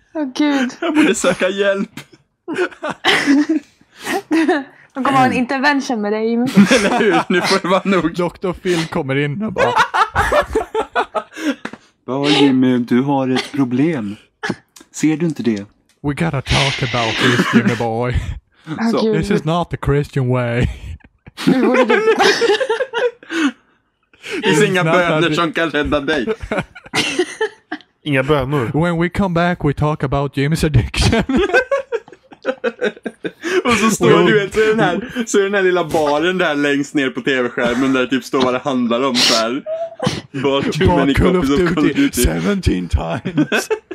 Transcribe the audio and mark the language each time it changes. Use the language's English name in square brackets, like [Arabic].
[Swedish] Åh gud. Jag borde söka hjälp. De kommer ha en intervention med dig. Eller hur, nu får det vara nog. Dr. Phil kommer in och bara bara Jimmy, du har ett problem. Ser du inte det? [English] We gotta talk about this, Jimmy boy. This is not the Christian way. [Swedish] Det är inga bönor som kan rädda dig. Inga bönor. [English] When we come back we talk about Jimmy's addiction. [Swedish] Och så står du vet, så är den här lilla baren där längst ner på tv-skärmen där det typ står vad det handlar om så här. Bara [English] too many copies of Call of Duty 17 times.